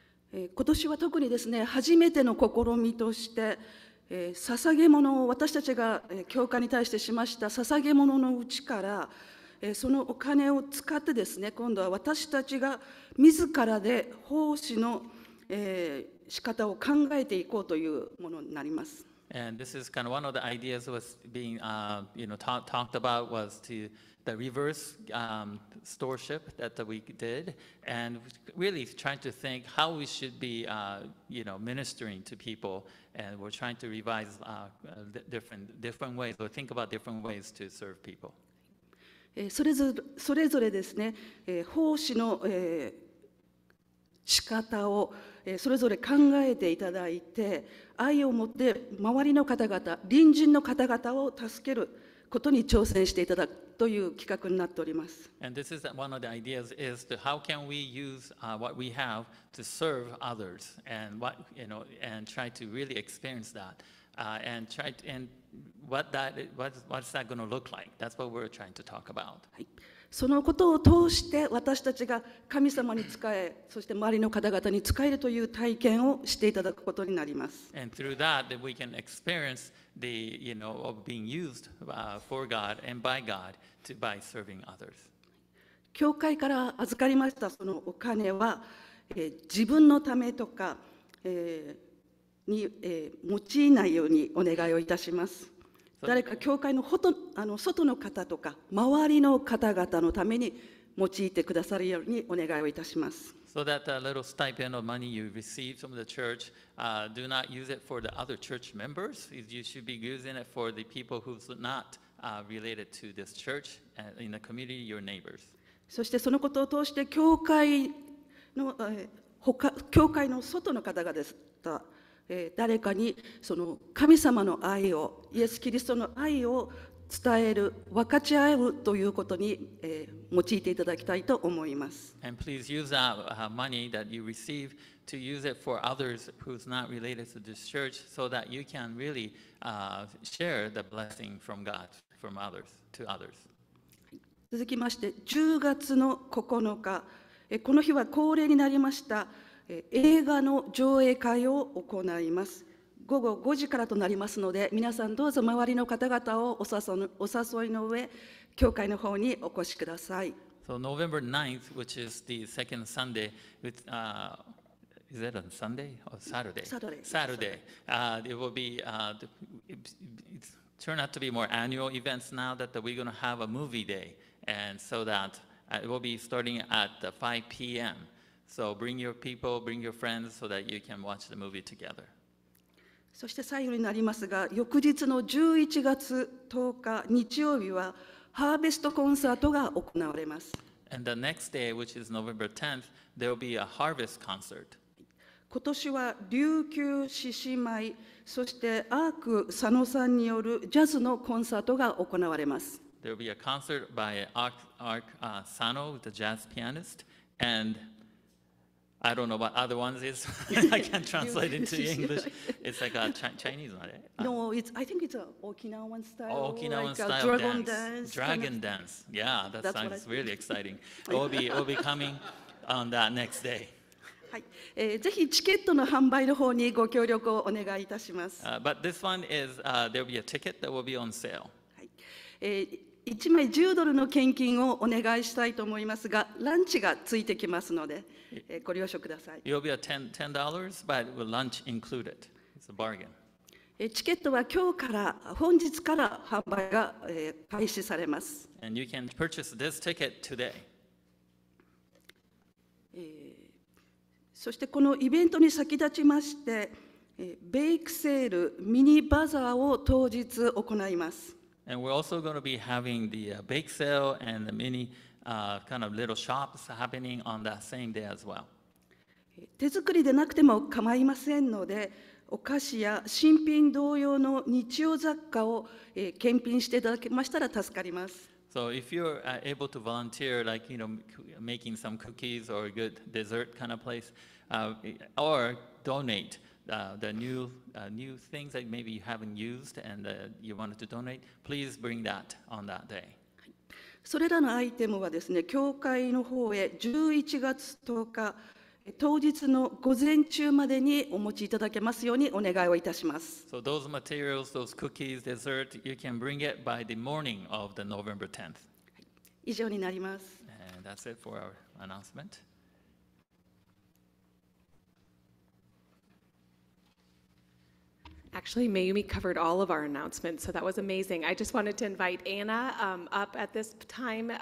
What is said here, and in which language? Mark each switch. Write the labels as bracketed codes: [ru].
[ja] 今年は特にですね、初めての試みとして、捧げ物を私たちが教会に対してしました捧げ物のうちから、そのお金を使ってですね、今度は私たちが自らで奉仕の仕方を考えていこうというものになります。 [en] And this is kind of one of the ideas was being, you know, talked about was to the reverse stewardship that we did, and really trying to think how we should be, you know, ministering to people, and we're trying to revise different ways or think about different ways to serve people. [ja] それぞれですね、奉仕の仕方をそれぞれ考えていただいて、愛を持って周りの方々、隣人の方々を助けることに挑戦していただくという企画になっております。 [en] And this is one of the ideas is to how can we use what we have to serve others and what, you know, and try to really experience that and try to, and what's that going to look like? That's what we're trying to talk about.、 [ja] はい、そのことを通して私たちが神様に仕え、そして周りの方々に仕えるという体験をしていただくことになります。 [en] And through that, that we can experience the, you know, of being used for God and by God to by serving others. [ja] 教会から預かりましたそのお金は、自分のためとか、用いないようにお願いをいたします。誰か教会のほと、あの外の方とか周りの方々のために用いてくださるようにお願いをいたします。 [en] So that the little stipend of money you receive from the church, do not use it for the other church members. You should be using it for the people who's not related to this church in the community, your neighbors. [ja] そしてそのことを通して教会の、他、教会の外の方々です。誰かにその神様の愛をイエス・キリストの愛を伝える分かち合うということに、用いていただきたいと思います。 [en] And please use that money that you receive to use it for others who's not related to this church so that you can really share the blessing from God from others to others. [ja] 続きまして10月の9日、この日は恒例になりました映画の上映会を行います。午後5時からとなりますので、皆さんどうぞ周りの方々をお誘いの上、教会の方にお越しください。 [en] So November 9th, which is the second Sunday, with, is that on Sunday or Saturday? Saturday. Saturday. Saturday. It will be, it's turned out to be more annual events now that we're going to have a movie day. And so that it will be starting at 5 p.m. So bring your people, bring your friends so that you can watch the movie together. [ja] そして最後になりますが、翌日の11月10日日曜日はハーベストコンサートが行われます。 [en] And the next day, which is November 10th, there will be a harvest concert. [ja] 今年は琉球獅子舞、そしてアーク佐野さんによるジャズのコンサートが行われます。 [en] There will be a concert by Ark Sano, the jazz pianist, and I don't know what other ones is. I can't translate into English. It's like a Chinese one. No, I think it's an Okinawan style. Okinawan style dance. Dragon dance. Dragon dance. Yeah, that sounds really exciting. It will be coming on that next day. [ja] ぜひチケットの販売の方にご協力をお願いいたします。 [en] But this one is, there will be a ticket that will be on sale. [ja] 1枚10ドルの献金をお願いしたいと思いますが、ランチがついてきますので、ご了承ください。 [en] It'll be a $10, but with lunch included. It's a bargain. [ja] チケットは今日から、本日から販売が開始されます。 [en] And you can purchase this ticket today. [ja] そしてこのイベントに先立ちまして、ベイクセール、ミニバザーを当日行います。 [en] And we're also going to be having the bake sale and the many kind of little shops happening on that same day as well. [ja] 手作りでなくても構いませんので、お菓子や新品同様の日用雑貨を献品していただけましたら助かります。 [en] So if you're able to volunteer, like, you know, making some cookies or a good dessert kind of place, or donate,the new things that maybe you haven't used and you wanted to donate, please bring that on that day. [ja] それらのアイテムはですね、教会の方へ11月10日当日の午前中までにお持ちいただけますようにお願いをいたします。 [en] So those materials, those cookies, dessert, you can bring it by the morning of the November 10th. [ja] 以上になります。 [en] And that's it for our announcement. Actually, Mayumi covered all of our announcements, so that was amazing. I just wanted to invite Anna up at this time.